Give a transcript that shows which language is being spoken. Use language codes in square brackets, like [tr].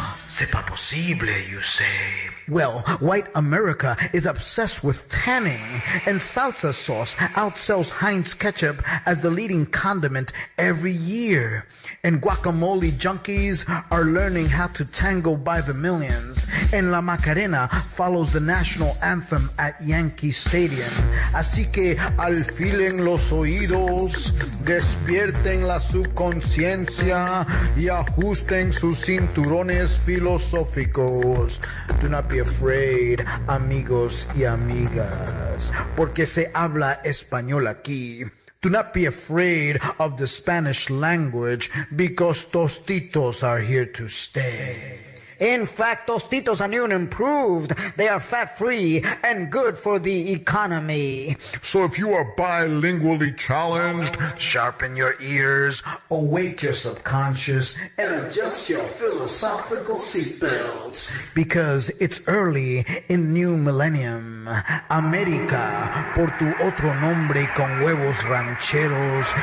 [fr] C'est pas possible, [en] you say. Well, white America is obsessed with tanning, and salsa sauce outsells Heinz ketchup as the leading condiment every year. And guacamole junkies are learning how to tango by the millions. And La Macarena follows the national anthem at Yankee Stadium. [es] Así que alfilen los oídos, despierten la subconsciencia, y ajusten sus cinturones filosóficos. [en] Do not be afraid, [es] amigos y amigas, porque se habla español aquí. [en] Do not be afraid of the Spanish language, because tostitos are here to stay. In fact, Tostitos and Union improved. They are fat-free and good for the economy. So if you are bilingually challenged, sharpen your ears, awake your subconscious, and adjust your philosophical seatbelts. Because it's early in new millennium. [es] America, por tu otro nombre con huevos rancheros.